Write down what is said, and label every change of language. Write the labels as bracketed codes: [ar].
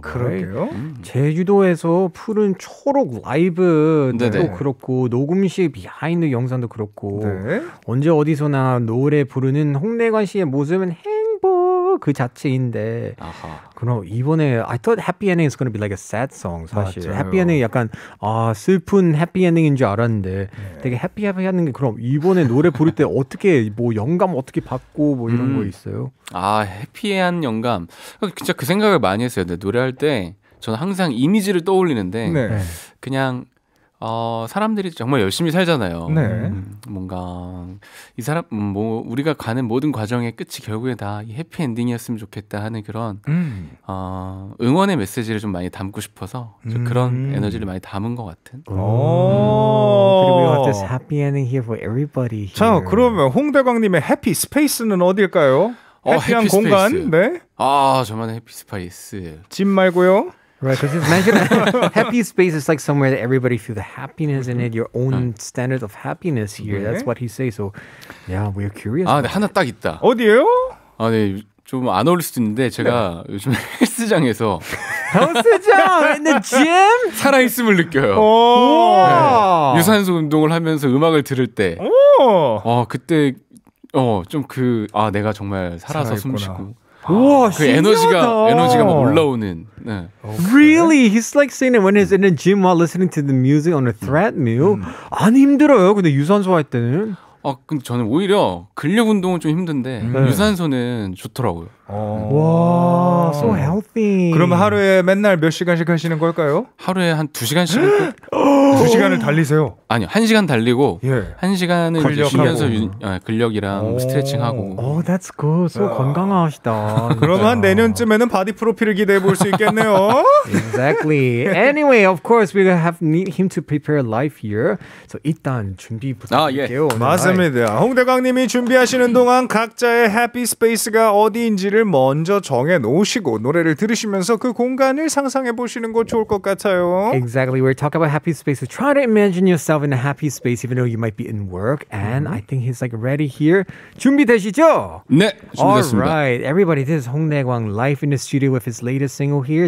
[ko] 그러게요. 제주도에서 푸른 초록 라이브도 네네. 그렇고 녹음실 비하인드 영상도 그렇고 네. 언제 어디서나 노래 부르는 홍대관 씨의 모습은 그 자체인데 아하. 그럼 이번에 [en] I thought happy ending is going to be like a sad song [ko] 사실 맞아요. happy ending 약간 아 슬픈 happy ending인 줄 알았는데 네. 되게 happy happy 하는 게 그럼 이번에 노래 부를 때 어떻게 뭐 영감 어떻게 받고 뭐 이런 거 있어요? 아 해피한 영감 진짜 그 생각을 많이 했어요. 근데 노래할 때 저는 항상 이미지를 떠올리는데 네. 그냥 사람들이 정말 열심히 살잖아요. 네. 뭔가 이 사람 뭐 우리가 가는 모든 과정의 끝이 결국에 다 해피 엔딩이었으면 좋겠다 하는 그런 응원의 메시지를 좀 많이 담고 싶어서 그런 에너지를 많이 담은 것 같은. 그리고 [en] we have this happy ending here for everybody. [ko] 자 [en] here. [ko] 그러면 홍대광님의 해피 스페이스는 어딜까요? 해피한 해피 공간. 스페이스. 네. 아 저만의 해피 스페이스. 집 말고요. [en] Right, because it's mentioned happy space is like somewhere that everybody feels the happiness in it, your own standard of happiness here. 네? That's what he says. So, yeah, we're curious. [ko] 아, 네, 하나 딱 있다. 어디요? 아, 네, 좀 안 어울릴 수도 있는데 제가 네. 요즘 헬스장에서 헬스장 [en] in the gym [ko] 살아있음을 느껴요. 네, 유산소 운동을 하면서 음악을 들을 때, 그때 좀 그 아, 내가 정말 살아서 숨쉬고. 우와, 그 신기하다. 에너지가 막 올라오는. 네. [en] Really? He's like saying it when he's in the gym while listening to the music on a treadmill. [ko] 안 힘들어요. 근데 유산소 할 때는. 아, 근데 저는 오히려 근력 운동은 좀 힘든데 유산소는 좋더라고요. [en] 와, so healthy. [ko] 그럼 하루에 맨날 몇 시간씩 하시는 걸까요? 하루에 한 2시간씩. 2시간을 달리세요? 아니요, 1시간 달리고 1시간을 쉬면서 근력이랑 스트레칭하고. [en] Oh, that's good. So [ko] 건강하시다. 그럼 한 내년쯤에는 바디 프로필을 기대해 볼 수 있겠네요. [en] Exactly. Anyway, of course, we have need him to prepare life here. [ko] So 일단 준비 부탁드릴게요. 맞습니다. 홍대광님이 준비하시는 동안 각자의 happy space가 어디인지 를 먼저 정해 놓으시고 노래를 들으시면서 그 공간을 상상해 보시는 거 좋을 것 같아요. [en] Exactly. We're talking about happy spaces. Try to imagine yourself in a happy space even though you might be in work and I think he's like ready here. [ko] 준비되시죠? 네, 준비됐습니다. [en] All right. Everybody, this is 홍대광 live in the studio with his latest single here.